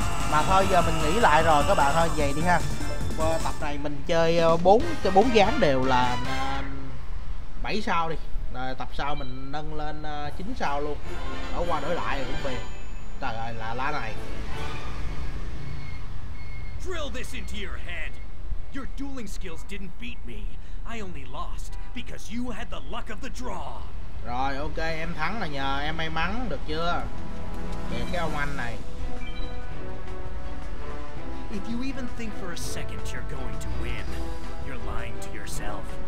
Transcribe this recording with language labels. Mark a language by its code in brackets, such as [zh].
[vi] Mà thôi giờ mình nghĩ lại rồi các bạn ơi, vậy đi ha. Qua tập này mình chơi 4 dáng đều là 7 sao đi. Rồi tập sau mình nâng lên 9 sao luôn. Đổi qua đổi lại cũng phiền. Trời ơi là lá này. [en] Drill this into your head. Your dueling skills didn't beat me. I only lost because you had the luck of the draw. [vi] Rồi ok, em thắng là nhờ em may mắn được chưa? Kìa cái ông anh này. [en] If you even think for a second you're going to win, you're lying to yourself.